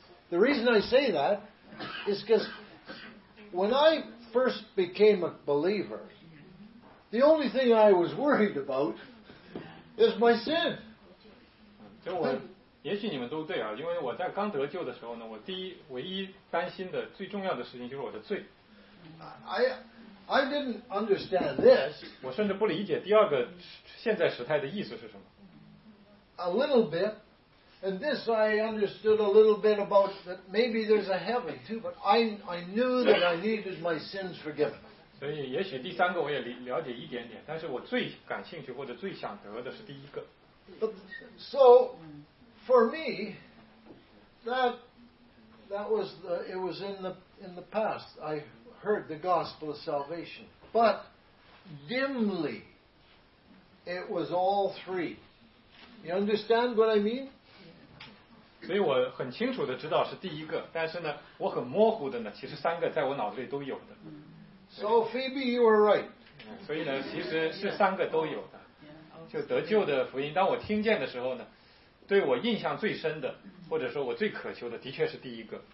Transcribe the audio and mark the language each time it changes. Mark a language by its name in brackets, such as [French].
[English] The reason I say that is because when I first became a believer,The only thing I was worried about is my sin. [Chinese] 就我，也许你们都对啊，因为我在刚得救的时候呢，我第一唯一担心的最重要的事情就是我的罪。 [English] I didn't understand this. [Chinese] 我甚至不理解第二个现在时态的意思是什么。 [English] A little bit, and this I understood a little bit about that maybe there's a heaven too, but I knew that I needed my sins forgiven. [Chinese] 所以也许第三个我也了解一点点，但是我最感兴趣或者最想得的是第一个。 [English] So for me, that was the, it was in the past. I heard the gospel of salvation, but dimly, it was all three. You understand what I mean? [Chinese] 所以我很清楚的知道是第一个，但是呢，我很模糊的呢，其实三个在我脑子里都有的。 [English] So Phoebe, you were right. [Chinese] 所以呢，其实是三个都有的，就得救的福音。当我听见的时候呢，对我印象最深的，或者说我最渴求的，的确是第一个。